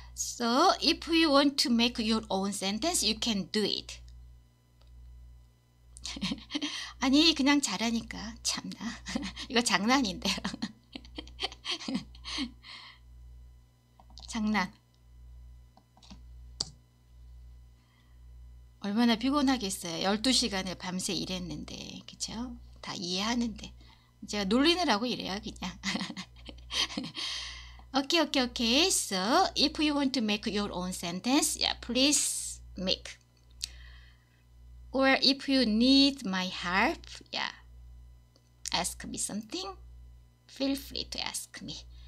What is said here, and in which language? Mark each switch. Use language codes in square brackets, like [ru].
[en] So, if you want to make your own sentence, you can do it. [ko] 아니 그냥 잘하니까 참나 이거 장난인데요. 장난 얼마나 피곤하겠어요. 12시간을 밤새 일했는데 그쵸? 다 이해하는데 제가 놀리느라고 이래요 그냥. 오케이 오케이 오케이. [en] So if you want to make your own sentence, yeah, please make. Or if you need my help, yeah, ask me something. Feel free to ask me.